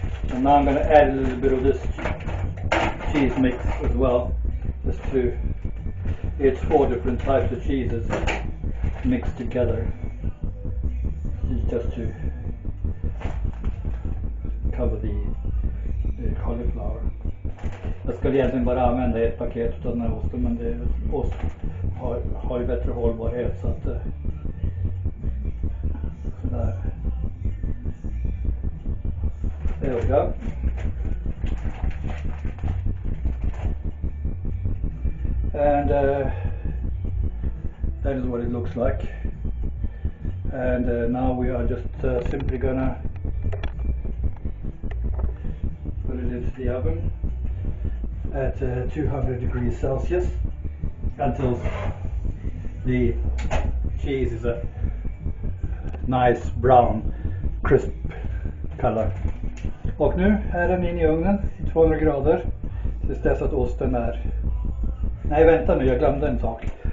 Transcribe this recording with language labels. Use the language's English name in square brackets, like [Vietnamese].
[English] And now I'm going to add a little bit of this cheese mix as well, just to, it's four different types of cheeses mixed together, just to cover the cauliflower. [Swedish] Jag skulle egentligen bara använda ett paket av den här osten, men det ost har ju bättre hållbarhet, så att sådär. Det är okej. [English] And that is what it looks like. And now we are just simply gonna put it into the oven at 200 degrees Celsius until the cheese is a nice brown crisp color. [Swedish] Och nu är den in i ugnen i 200 grader tills dess att osten är... Nej, vänta nu, jag glömde en sak.